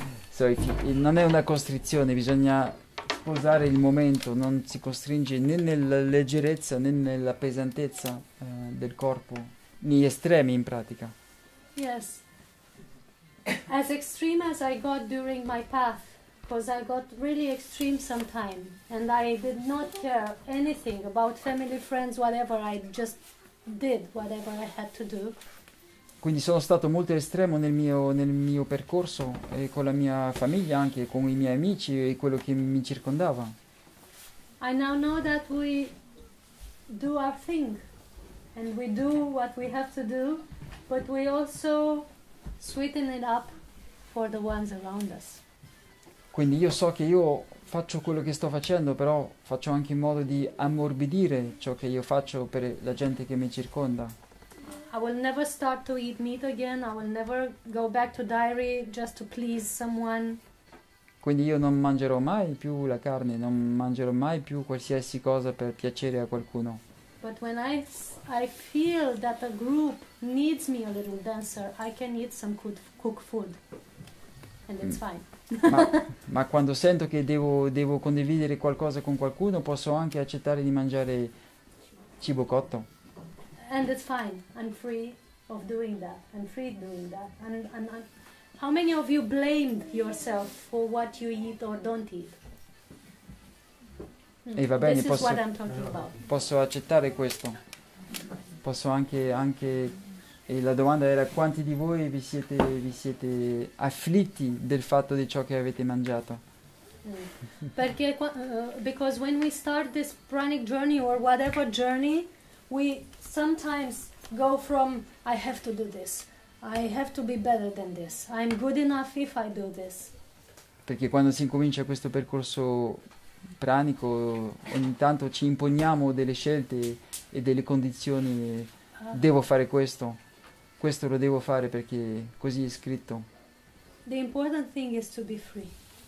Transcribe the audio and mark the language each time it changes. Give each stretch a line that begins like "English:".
English: So if
Italian: non è una costrizione, bisogna sposare il momento, non si costringe né nella leggerezza né nella pesantezza del corpo, negli estremi in pratica.
English: Yes. As extreme as I got during my path, because I got really extreme sometime and I did not care anything about family, friends, whatever, I just did whatever I had to do.
Italian: Quindi sono stato molto estremo nel mio percorso e con la mia famiglia, anche con i miei amici e quello che mi circondava.
English: I now know that we do our thing and we do what we have to do, but we also sweeten it up for the ones around us.
Italian: Quindi io so che io faccio quello che sto facendo, però faccio anche in modo di ammorbidire ciò che io faccio per la gente che mi circonda.
English: I will never start to eat meat again. I will never go back to dairy just to please someone.
Italian: Quindi io non mangerò mai più la carne, non mangerò mai più qualsiasi cosa per piacere a qualcuno.
English: But when I feel that a group needs me a little denser, I can eat some cooked food. And it's fine.
Italian: ma quando sento che devo condividere qualcosa con qualcuno, posso anche accettare di mangiare cibo cotto.
English: And it's fine. I'm free of doing that. I'm free doing that. And how many of you blamed yourself for what you eat or don't eat?
Italian: E va bene,
English: this
Italian: posso,
English: is what I'm talking about.
Italian: Posso accettare questo. Posso anche e la domanda era quanti di voi vi siete afflitti del fatto di ciò che avete mangiato? Perché
English: because when we start this pranic journey or whatever journey, we sometimes go from I have to do this, I have to be better than this, I'm good enough if I do this.
Italian: Perché quando si incomincia questo percorso pranico, ogni tanto ci imponiamo delle scelte e delle condizioni, devo fare questo. Questo lo devo fare perché così è scritto.
English: The important thing is to be free.